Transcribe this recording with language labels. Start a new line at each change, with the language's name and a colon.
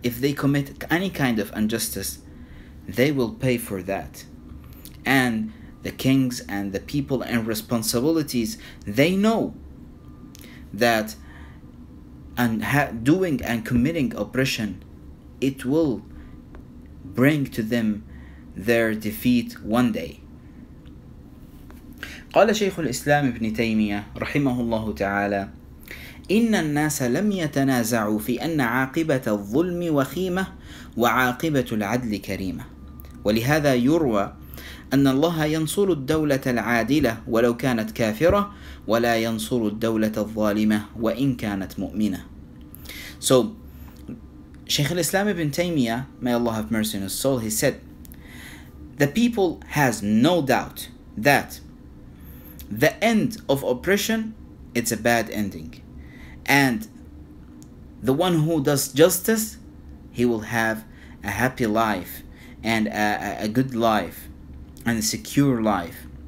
English: If they commit any kind of injustice, they will pay for that, and the kings and the people and responsibilities, they know that doing and committing oppression, it will bring to them their defeat one day.
Arabic: قال شيخ الإسلام ابن تيمية رحمه الله تعالى إن الناس لم يتنازعوا في أن عاقبة الظلم وخيمة وعاقبة العدل كريمة. ولهذا يروى أن الله ينصر الدولة العادلة ولو كانت كافرة، ولا ينصر الدولة الظالمة وإن كانت مؤمنة.
English: So, Shaykh al-Islam ibn Taymiyyah, may Allah have mercy on his soul, he said, the people has no doubt that the end of oppression, it's a bad ending. And the one who does justice, he will have a happy life and a good life and a secure life.